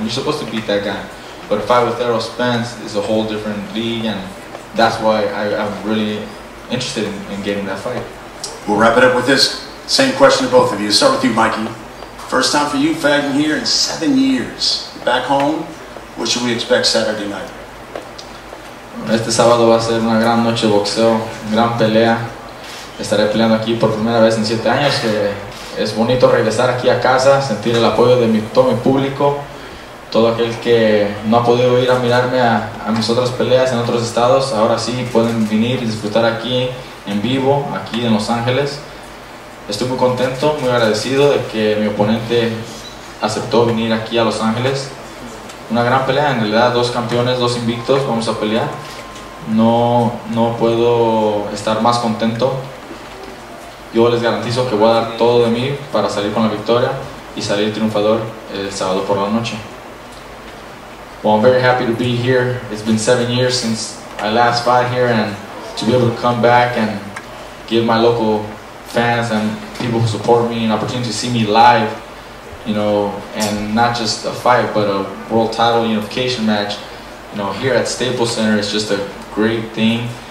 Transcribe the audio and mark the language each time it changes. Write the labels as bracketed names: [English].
[English] You're supposed to beat that guy. But a fight with Errol Spence is a whole different league, and that's why I'm really interested in getting that fight. We'll wrap it up with this same question to both of you. Start with you, Mikey. First time for you fighting here in 7 years. Back home, what should we expect Saturday night? [Spanish] Este sábado va a ser una gran noche de boxeo, gran pelea. Estaré peleando aquí por primera vez en 7 años. Es bonito regresar aquí a casa, sentir el apoyo de todo mi público. Todo aquel que no ha podido ir a mirarme a mis otras peleas en otros estados, ahora sí pueden venir y disfrutar aquí en vivo, aquí en Los Ángeles. Estoy muy contento, muy agradecido de que mi oponente aceptó venir aquí a Los Ángeles. Una gran pelea, en realidad dos campeones, dos invictos, vamos a pelear. No puedo estar más contento. Yo les garantizo que voy a dar todo de mí para salir con la victoria y salir triunfador el sábado por la noche. [English] Well, I'm very happy to be here. It's been 7 years since I last fought here, and to be able to come back and give my local fans and people who support me an opportunity to see me live you know, and not just a fight, but a world title unification match, you know, here at Staples Center is just a great thing.